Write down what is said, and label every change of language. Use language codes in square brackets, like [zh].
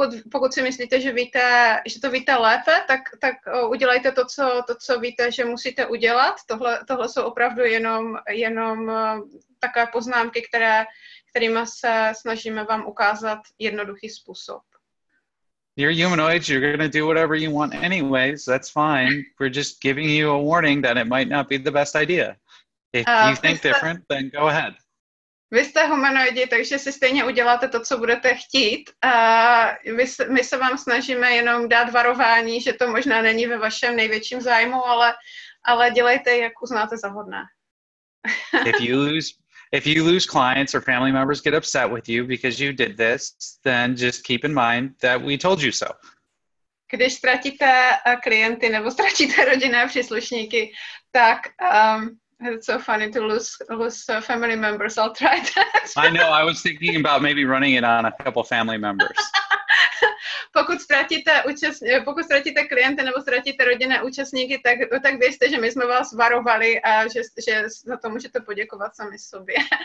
[cs] Pokud si myslíte, že to víte lépe, tak udělejte to, co víte, že musíte udělat. Tohle jsou opravdu jenom takové poznámky, kterými se snažíme vám ukázat jednoduchý způsob. [en] You're humanoids, you're going to do whatever you want anyways, that's fine. We're just giving you a warning that it might not be the best idea. If you think different, then go ahead. [cs] Vy jste humanoidi, takže si stejně uděláte to, co budete chtít. My se vám snažíme jenom dát varování, že to možná není ve vašem největším zájmu, ale dělejte, jak uznáte za vhodné. [en] If you lose clients or family members get upset with you because you did this, then just keep in mind that we told you so. [cs] Když ztratíte klienty nebo ztratíte rodinné příslušníky, tak... [en] It's so funny to lose family members. I'll try that. I know. I was thinking about maybe running it on a couple family members. [cs] Pokud ztratíte klienty nebo ztratíte rodinné účastníky, tak věřte, že my jsme vás varovali a že za to můžete poděkovat sami sobě.